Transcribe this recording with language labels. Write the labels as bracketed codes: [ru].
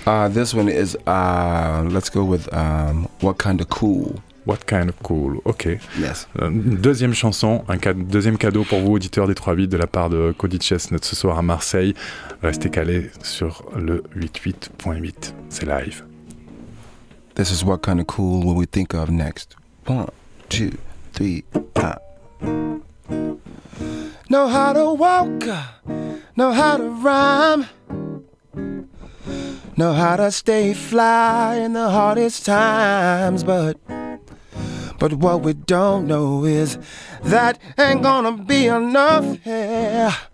[en] This one is, let's go with What Kind of Cool. What Kind of Cool, okay. Yes. [fr] Deuxième chanson, deuxième cadeau pour vous, auditeurs des 3-8 de la part de Cody Chestnut ce soir à Marseille. Restez calés sur le 88.8. C'est live. [en] This is What Kind of Cool, what we think of next. 1, 2, 3, Know how to walk, know how to rhyme, know how to stay fly in the hardest times, but what we don't know is that ain't gonna be enough, yeah.